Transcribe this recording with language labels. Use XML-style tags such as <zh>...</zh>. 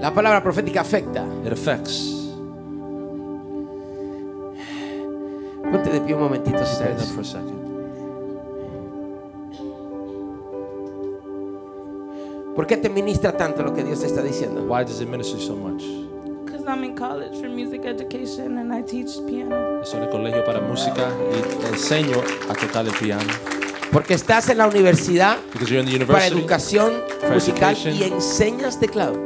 <es>La palabra profética afecta.</es> <en>It affects.</en> <es>Ponte de pie un momentito,</es> <en>stand up for a second.</en> <es>¿Por qué te ministra tanto lo que Dios te está diciendo?</es> <en>Why does it minister so much? Because I'm in college for music education and I teach piano.</en> <es>Estoy en el colegio para música y enseño a tocar el piano. Porque estás en la universidad para educación musical y enseñas teclado.</es>